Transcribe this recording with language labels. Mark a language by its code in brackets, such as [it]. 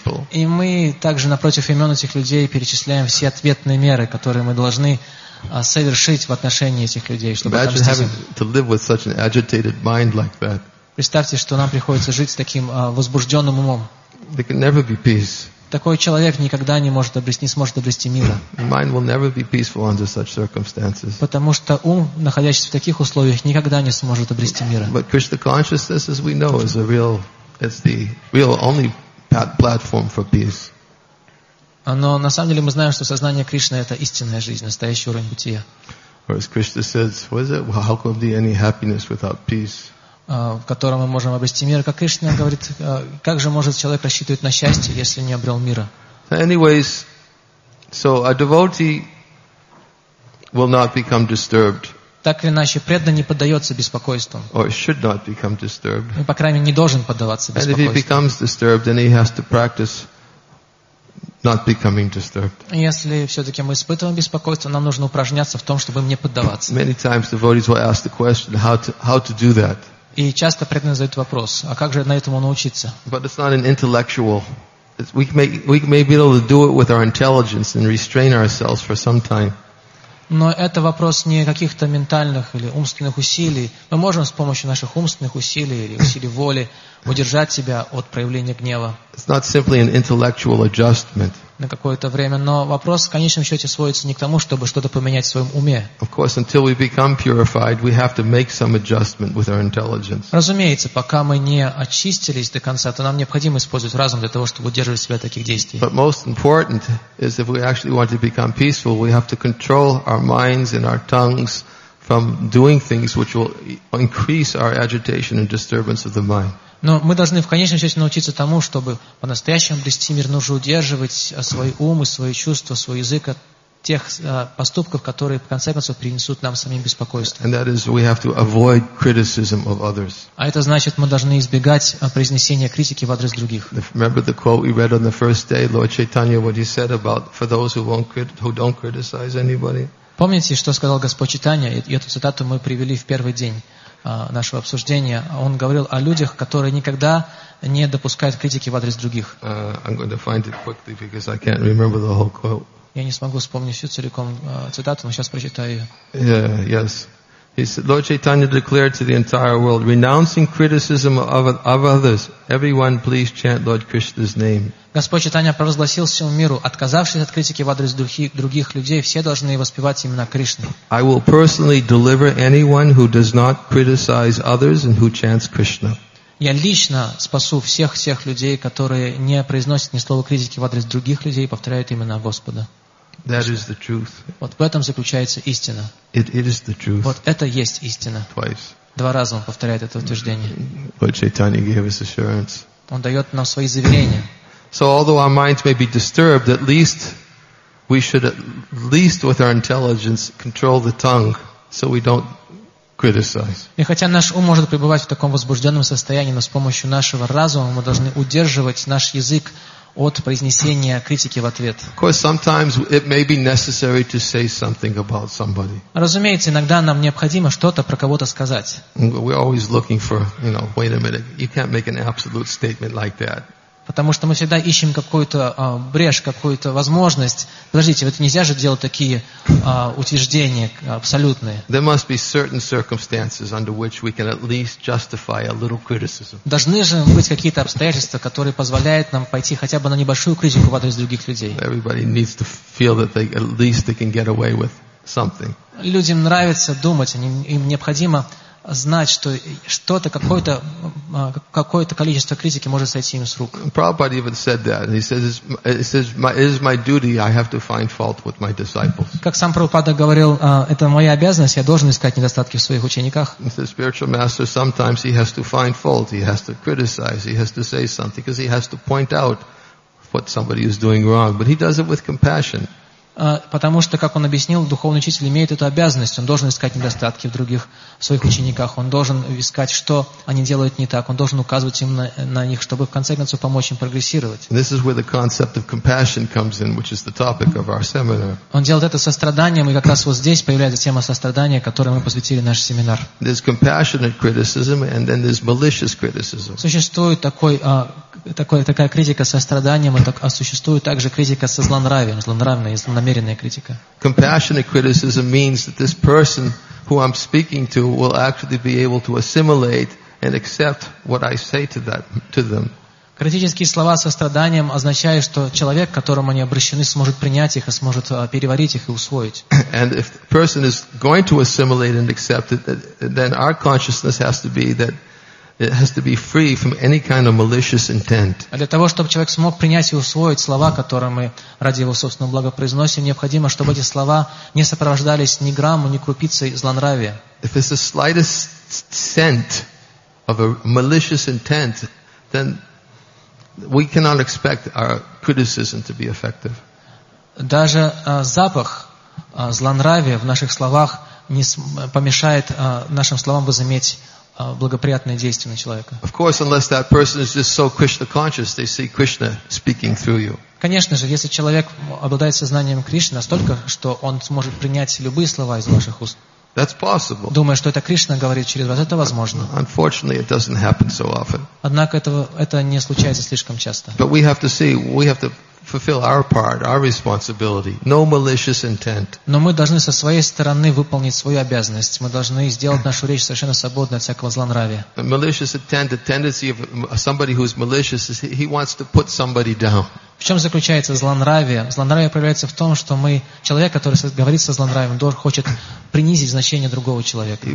[ru] И мы также напротив имен этих людей перечисляем все ответные меры, которые мы должны совершить в отношении этих людей, чтобы отомстить. [en] Imagine having to live with such an agitated mind like that. [ru] Представьте, что нам приходится жить с таким возбужденным умом. [en] There can never be peace. [ru] Такой человек никогда не сможет обрести мира. [en] Mind will never be peaceful under such circumstances. [ru] Потому что ум, находящийся в таких условиях, никогда не сможет обрести мира. [en] But Krishna consciousness, as we know, is the real only platform for peace. [ru] Но на самом деле мы знаем, что сознание Кришны это истинная жизнь, настоящий уровень бытия. [en] Or as Krishna says, what is it? How could there be any happiness without peace? [ru] В котором мы можем обрести мир. Как Кришна говорит, как же может человек рассчитывать на счастье, если не обрел мира? [en] Anyways, so a devotee will not become disturbed. [ru] Так или иначе, преданный не поддается беспокойству. [en] Or should not become disturbed. [ru] И, по крайней мере, не должен поддаваться беспокойству. [en] And if he becomes disturbed, then he has to practice not becoming disturbed. [ru] Если все-таки мы испытываем беспокойство, нам нужно упражняться в том, чтобы им не поддаваться. [en] Many times devotees will ask the question, how to do that. [ru] И часто преданный задает вопрос, а как же на этому научиться? [en] But it's not an intellectual. We may be able to do it with our intelligence and restrain ourselves for some time. [ru] Но это вопрос не каких-то ментальных или умственных усилий. Мы можем с помощью наших умственных усилий или усилий воли удержать себя от проявления гнева. [en] It's not simply an intellectual adjustment. [ru] На какое-то время. Но вопрос в конечном счете сводится не к тому, чтобы что-то поменять в своем уме. [en] Of course, until we become purified, we have to make some adjustment with our intelligence. [ru] Разумеется, пока мы не очистились до конца, то нам необходимо использовать разум для того, чтобы удерживать себя от таких действий. [en] But most important is if we actually want to become peaceful, we have to control our minds and our tongues from doing things which will increase our agitation and disturbance of the mind. [ru] Но мы должны в конечном счете научиться тому, чтобы по-настоящему обрести мир, нужно удерживать свой ум и свои чувства, свой язык от тех поступков, которые, в конце концов, принесут нам самим беспокойство. [en] And that is, we have to avoid criticism of others. [ru] А это значит, мы должны избегать произнесения критики в адрес других. [en] Remember the quote we read on the first day, Lord Chaitanya, what he said about for those who don't criticize anybody? [ru] Помните, что сказал Господь Чайтанья? И эту цитату мы привели в первый день нашего обсуждения. Он говорил о людях, которые никогда не допускают критики в адрес других. [en] I'm going to find it quickly because I can't remember the whole quote. [ru] Я не смогу вспомнить всю целиком цитату, но сейчас прочитаю ее. [en] Yes. He said, Lord Chaitanya declared to the entire world, renouncing criticism of others, everyone please chant Lord Krishna's name. [ru] Господь Чайтанья провозгласил всему миру, отказавшись от критики в адрес других людей, все должны воспевать имена Кришны. [en] I will personally deliver anyone who does not criticize others and who chants Krishna. [ru] Я лично спасу всех тех людей, которые не произносят ни слова критики в адрес других людей и повторяют имена Господа. [en] That is the truth. [ru] Вот в этом заключается истина. [en] It is the truth. [ru] Вот это есть истина. [en] Twice. [ru] Два раза он повторяет это утверждение. [en] Lord Chaitanya gave his assurance. [ru] Он дает нам свои заверения. [en] So although our minds may be disturbed, at least with our intelligence control the tongue so we don't criticize. [ru] И хотя наш ум может пребывать в таком возбужденном состоянии, но с помощью нашего разума мы должны удерживать наш язык от произнесения критики в ответ. [en] Of course, sometimes it may be necessary to say something about somebody. [ru] Разумеется, иногда нам необходимо что-то про кого-то сказать. [en] We're always looking for, you know, wait a minute, you can't make an absolute statement like that. [ru] Потому что мы всегда ищем какую-то брешь, какую-то возможность. Подождите, вот нельзя же делать такие утверждения абсолютные. [en] There must be certain circumstances under which we can at least justify a little criticism. [ru] Должны же быть какие-то обстоятельства, которые позволяют нам пойти хотя бы на небольшую критику в адрес других людей. [en] Everybody needs to feel that they at least they can get away with something. [ru] Людям нравится думать, им необходимо знать, что что-то, какое-то количество критики может сойти им с рук. [en] Prabhupada even said that. He says, it is my duty, I have to find fault with my disciples. [ru] Как сам Прабхупада говорил, это моя обязанность, я должен искать недостатки в своих учениках. [en] He says, spiritual master, sometimes he has to find fault, he has to criticize, he has to say something, because he has to point out what somebody is doing wrong. But he does it with compassion. [ru] Потому что, как он объяснил, духовный учитель имеет эту обязанность. Он должен искать недостатки в других своих учениках. Он должен искать, что они делают не так. Он должен указывать им на них, чтобы в конце концов помочь им прогрессировать. [en] This is where the concept of compassion comes in, which is the topic of our seminar. [ru] Он делает это состраданием, и как раз вот здесь появляется тема сострадания, которой мы посвятили наш семинар. [en] There's compassionate criticism, and then there's malicious criticism. [ru] Существует такая критика состраданием, а существует также критика со злонравием, злонравная и злонамеренная критика. [en] Compassionate criticism means that this person who I'm speaking to will actually be able to assimilate and accept what I say to them. [ru] Критические слова состраданием означают, что человек, к которому они обращены, сможет принять их и сможет переварить их и усвоить. [en] And if the person is going to assimilate and accept it, then our consciousness has to be that it has to be free from any kind of malicious intent. [ru] Для того, чтобы человек смог принять и усвоить слова, которые мы ради его собственного блага произносим, необходимо, чтобы эти слова не сопровождались ни грамму, ни крупицей злонравия. [en] If there's the slightest scent of a malicious intent, then we cannot expect our criticism to be effective. [ru] Даже запах злонравия в наших словах не помешает нашим словам возыметь благоприятные действия на человека. [en] Of course, unless that person is just so Krishna conscious, they see Krishna speaking through you. [ru] Конечно же, если человек обладает сознанием Кришны настолько, что он сможет принять любые слова из ваших уст. [en] That's possible. [ru] Думая, что это Кришна говорит через вас, это возможно. [en] Unfortunately, it doesn't happen so often. [ru] Однако это не случается слишком часто. [en] But we have to fulfill our part, our responsibility. No malicious intent. [ru] Но мы должны со своей стороны выполнить свою обязанность. Мы должны сделать нашу речь совершенно свободной от всякого злонравия. [en] A malicious intent, the tendency of somebody who is malicious is he wants to put somebody down. [ru] В чем заключается злонравие? Злонравие проявляется в том, что мы человек, который говорит со злонравием, хочет принизить значение другого человека.